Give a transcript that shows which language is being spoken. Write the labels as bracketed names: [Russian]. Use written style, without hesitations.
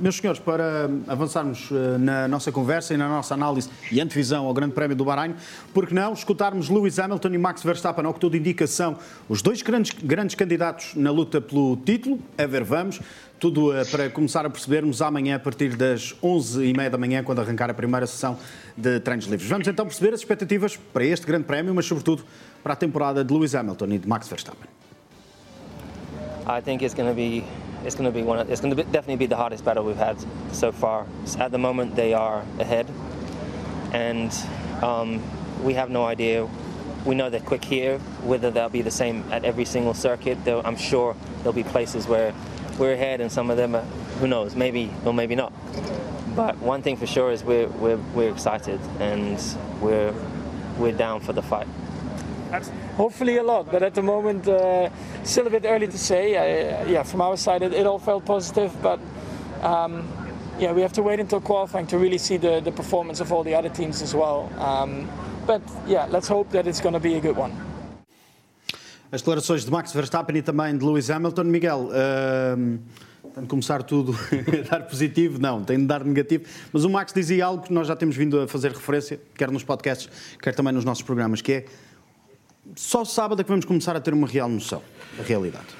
[Portuguese] Meus senhores, para avançarmos na nossa conversa e na nossa análise e antevisão ao Grande Prémio do Bahrein, por que não escutarmos Lewis Hamilton e Max Verstappen, ao que tudo indica são os dois grandes candidatos na luta pelo título, a ver, vamos. Tudo para começar a percebermos amanhã, a partir das 11h30 da manhã, quando arrancar a primeira sessão de treinos livres. Vamos então perceber as expectativas para este Grande Prémio, mas sobretudo para a temporada de Lewis Hamilton e de Max Verstappen. [English] I think it's going to definitely be the hardest battle we've had so far. So at the moment they are ahead and we have no idea. We know they're quick here, whether they'll be the same at every single circuit, though I'm sure there'll be places where we're ahead and some of them are, who knows, maybe or maybe not. But one thing for sure is we're excited and we're down for the fight. Hopefully a lot, but at the moment still a bit early to say. From our side it all felt positive, but we have to wait until qualifying to really see the performance of all the other teams as well. Let's hope that it's going to be a good one. [Portuguese] As declarações de Max Verstappen e também de Lewis Hamilton. Miguel, tem de começar tudo a dar positivo? Não, tem de dar negativo. Mas o Max dizia algo que nós já temos vindo a fazer referência, quer nos podcasts, quer também nos nossos programas, que é só sábado é que vamos começar a ter uma real noção, a realidade.